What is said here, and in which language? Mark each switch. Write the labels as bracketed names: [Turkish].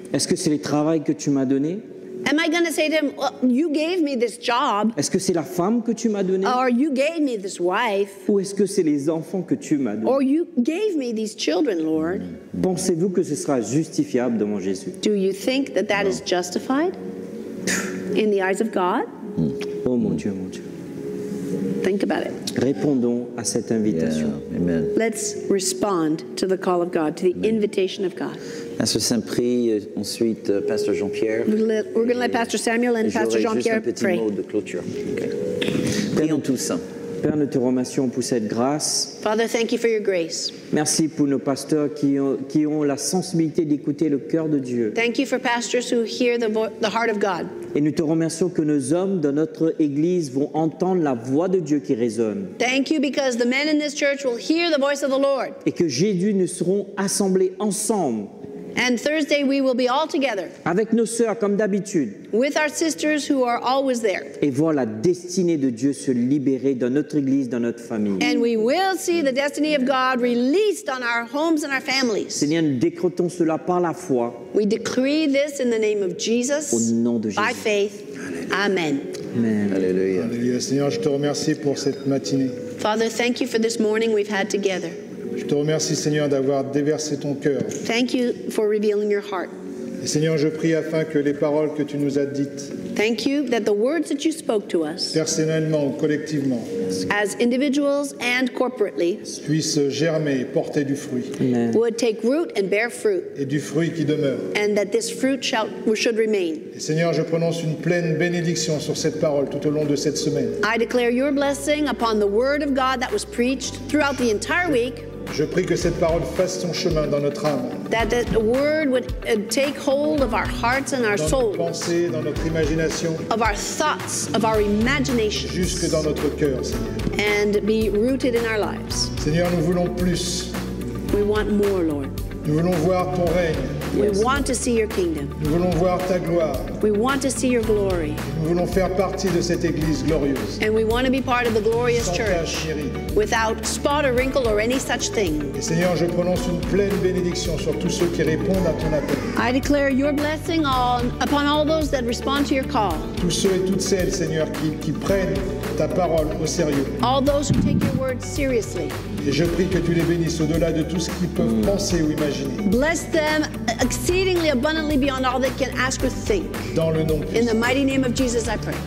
[French] Est-ce que c'est le travail que tu m'as donné? [English] Am I going to say to him, well, you gave me this job? [French] Est-ce que c'est la femme que tu m'as donné? [English] Or you gave me this wife? [French] Ou est-ce que c'est les enfants que tu m'as donné? [English] Or you gave me these children, Lord? [French] Pensez-vous que ce sera justifiable devant Jésus? [English] Do you think that that is justified in the eyes of God? [French] Oh mon Dieu, mon Dieu. [English] Think about it. [French] Répondons à cette invitation. [English] Yeah, amen. Let's respond to the call of God, to the invitation of God. [French] À ce saint prix, ensuite, Pasteur Jean-Pierre. [English] We're going to let Pasteur Samuel and Pasteur Jean-Pierre pray. [French] J'aurai juste un petit mot de clôture. Okay. Prions tous. Père, nous te remercions pour cette grâce. [English] Father, thank you for your grace. [French] Merci pour nos pasteurs qui ont la sensibilité d'écouter le cœur de Dieu. [English] Thank you for pastors who hear the heart of God. [French] Et nous te remercions que nos hommes dans notre église vont entendre la voix de Dieu qui résonne. [English] Thank you because the men in this church will hear the voice of the Lord. [French] Et que Jésus nous serons assemblés ensemble. [English] And Thursday we will be all together. [French] Avec nos sœurs comme d'habitude. [English] With our sisters who are always there. [French] Et voir la destinée de Dieu se libérer dans notre église, dans notre famille. [English] And we will see the destiny of God released on our homes and our families. [French] Seigneur, nous décrétons cela par la foi. [English] We decree this in the name of Jesus. [French] Au nom de Jésus. [English] By faith. Amen. [French] Amen. Alléluia. Alléluia. Seigneur, je te remercie pour cette matinée. [English] Father, thank you for this morning we've had together. [French] Je te remercie, Seigneur, d'avoir déversé ton cœur. [English] Thank you for revealing your heart. [French] Et Seigneur, je prie afin que les paroles que tu nous as dites. [English] Thank you that the words that you spoke to us. [French] Personnellement, collectivement. [English] As individuals and corporately. [French] Puissent germer, porter du fruit. [English] Amen. Would take root and bear fruit. [French] Et du fruit qui demeure. [English] And that this fruit should remain. [French] Et Seigneur, je prononce une pleine bénédiction sur cette parole tout au long de cette semaine. [English] I declare your blessing upon the word of God that was preached throughout the entire week. [French] Je prie que cette parole fasse son chemin dans notre âme. [English] That the word would take hold of our hearts and our souls. [French] Dans nos pensées, dans notre imagination. [English] Of our thoughts, of our imaginations. [French] Jusque dans notre cœur, Seigneur. [English] And be rooted in our lives. [French] Seigneur, nous voulons plus. [English] We want more, Lord. [French] Nous voulons voir ton règne. [English] We want to see your kingdom. [French] Nous voulons voir ta gloire. [English] We want to see your glory. [French] Nous voulons faire partie de cette église glorieuse. [English] And we want to be part of the glorious [French] sans [English] church. Without spot or wrinkle or any such thing. [French] Et Seigneur, je prononce une pleine bénédiction sur tous ceux qui répondent à ton appel. [English] I declare your blessing upon all those that respond to your call. [French] Tous ceux et toutes celles, Seigneur, qui prennent ta parole au sérieux. [English] All those who take your word seriously. [French] Et je prie que tu les bénisses au-delà de tout ce qu'ils peuvent penser ou imaginer. [English] Bless them exceedingly abundantly beyond all they can ask or think. [French] Dans le nom [English] In the mighty name of Jesus, I pray.